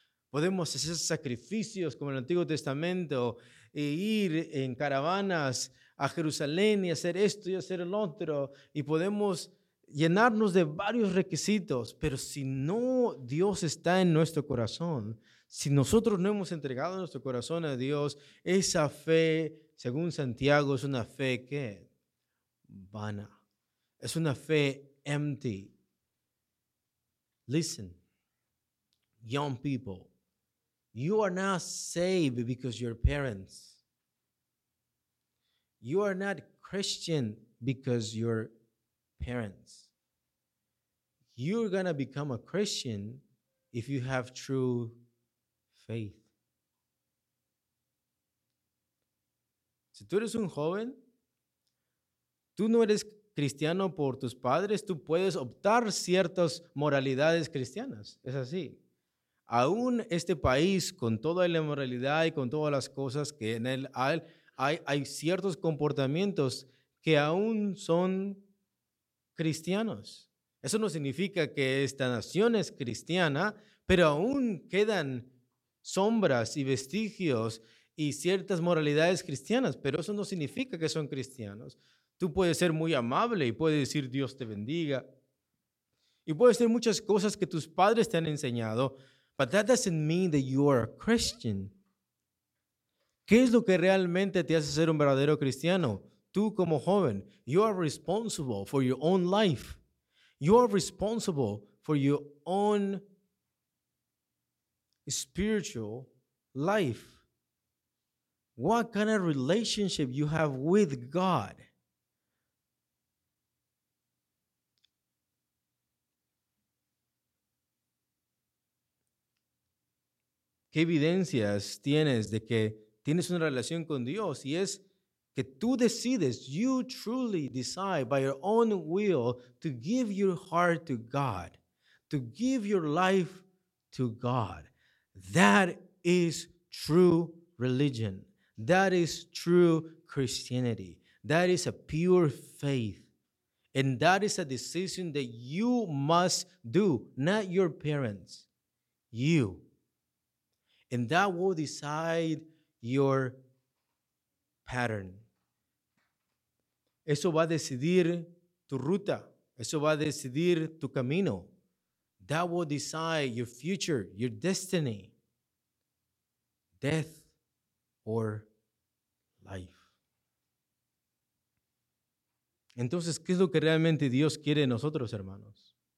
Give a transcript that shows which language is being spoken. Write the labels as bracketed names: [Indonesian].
[Spanish] Podemos hacer sacrificios como en el Antiguo Testamento e ir en caravanas a Jerusalén y hacer esto y hacer el otro, y podemos llenarnos de varios requisitos, pero si no Dios está en nuestro corazón, si nosotros no hemos entregado nuestro corazón a Dios, esa fe según Santiago, es una fe que vana. Es una fe empty. [English] Listen, young people, you are not saved because your parents. You are not Christian because your parents. You're going to become a Christian if you have true faith. [Spanish] Si tú eres un joven, tú no eres cristiano por tus padres, tú puedes optar ciertas moralidades cristianas. Es así. Aún este país, con toda la moralidad y con todas las cosas que en él hay ciertos comportamientos que aún son cristianos. Eso no significa que esta nación es cristiana, pero aún quedan sombras y vestigios y ciertas moralidades cristianas, pero eso no significa que son cristianos. Tú puedes ser muy amable y puedes decir Dios te bendiga. Y puedes hacer muchas cosas que tus padres te han enseñado, [English] but that doesn't mean that you are a Christian. [Spanish] ¿Qué es lo que realmente te hace ser un verdadero cristiano? Tú como joven, [English] you are responsible for your own life. You are responsible for your own spiritual life. What kind of relationship you have with God? [Spanish] ¿Qué evidencias tienes de que tienes una relación con Dios? Y es que tú decides, [English] you truly decide by your own will to give your heart to God, to give your life to God. That is true religion. That is true Christianity. That is a pure faith. And that is a decision that you must do, not your parents, you. And that will decide your pattern. [Spanish] Eso va a decidir tu ruta. Eso va a decidir tu camino. [English] That will decide your future, your destiny, death or life. [Spanish] Entonces, ¿qué es lo que realmente Dios quiere de nosotros, hermanos?